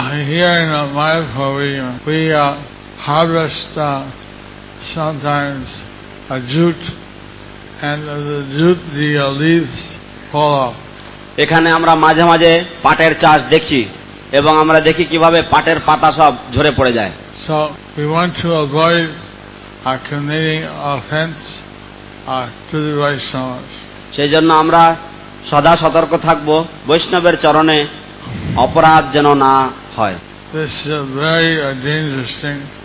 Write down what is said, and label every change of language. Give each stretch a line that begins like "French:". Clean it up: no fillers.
English: Here in Mayapur we harvest sometimes a jute and the jute the leaves fall off.
Bangla: এখানে আমরা মাঝে মাঝে পাটের চাষ দেখি এবং আমরা দেখি কিভাবে পাটের পাতা সব ঝরে পড়ে যায়।
English: So we want to avoid committing offense to the Vaishnavas.
Bangla: সেই জন্য আমরা সদা সতর্ক থাকব বৈষ্ণবের চরণে অপরাধ যেন না হয়।
English: This is a very dangerous thing.